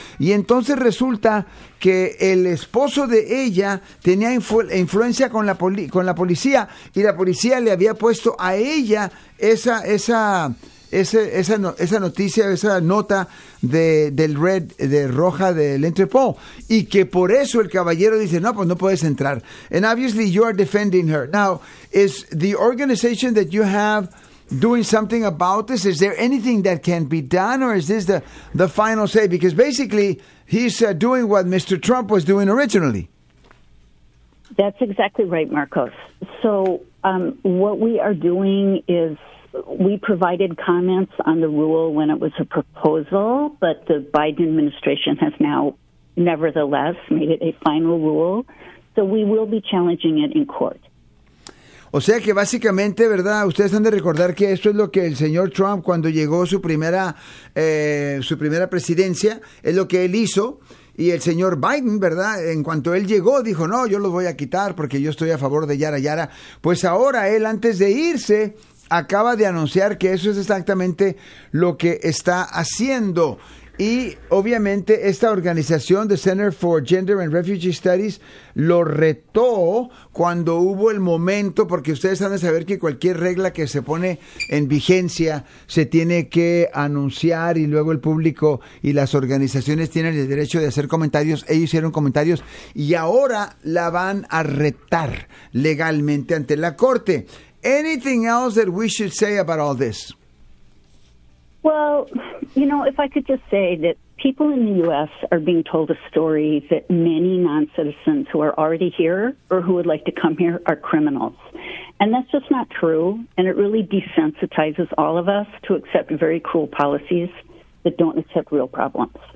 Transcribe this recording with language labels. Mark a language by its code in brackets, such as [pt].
[es] Y entonces resulta que el esposo de ella tenía influencia con la policía, y la policía le había puesto a ella esa noticia, esa nota roja del Interpol, y que por eso el caballero dice, no, pues no puedes entrar. [en] And obviously you are defending her. Now, is the organization that you have doing something about this? Is there anything that can be done, or is this the final say? Because basically he's doing what Mr. Trump was doing originally. That's exactly right, Marcos. So what we are doing is, we provided comments on the rule when it was a proposal, but the Biden administration has now nevertheless made it a final rule. So we will be challenging it in court. [es] O sea que básicamente, ¿verdad? Ustedes han de recordar que esto es lo que el señor Trump, cuando llegó su primera presidencia, es lo que él hizo. Y el señor Biden, ¿verdad?, en cuanto él llegó, dijo, no, yo los voy a quitar porque yo estoy a favor de Yara Yara. Pues ahora él, antes de irse, acaba de anunciar que eso es exactamente lo que está haciendo. Y obviamente esta organización, the Center for Gender and Refugee Studies, lo retó cuando hubo el momento, porque ustedes han de saber que cualquier regla que se pone en vigencia se tiene que anunciar, y luego el público y las organizaciones tienen el derecho de hacer comentarios. Ellos hicieron comentarios y ahora la van a retar legalmente ante la corte. [en] Anything else that we should say about all this? Well, you know, if I could just say that people in the U.S. are being told a story that many non-citizens who are already here or who would like to come here are criminals. And that's just not true. And it really desensitizes all of us to accept very cruel policies that don't accept real problems.